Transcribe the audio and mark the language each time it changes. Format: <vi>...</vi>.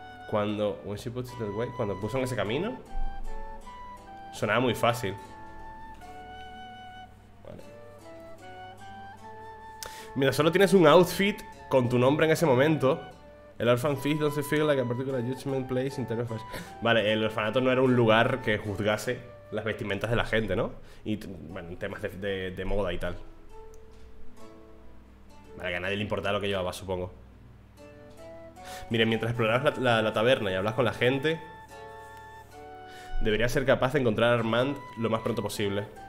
<es>Cuando. When she puts it that way, cuando puso en ese camino. Sonaba muy fácil. Mira, solo tienes un outfit con tu nombre en ese momento.</es> <en>El Orphan Feast doesn't feel like a particular judgment place in terms of fashion.</en> <es>Vale, el orfanato no era un lugar que juzgase las vestimentas de la gente, ¿no? Y, bueno, temas de moda y tal. Vale, que a nadie le importaba lo que llevaba, supongo. Mire, mientras explorabas la taberna y hablas con la gente, deberías ser capaz de encontrar a Armand lo más pronto posible.</es>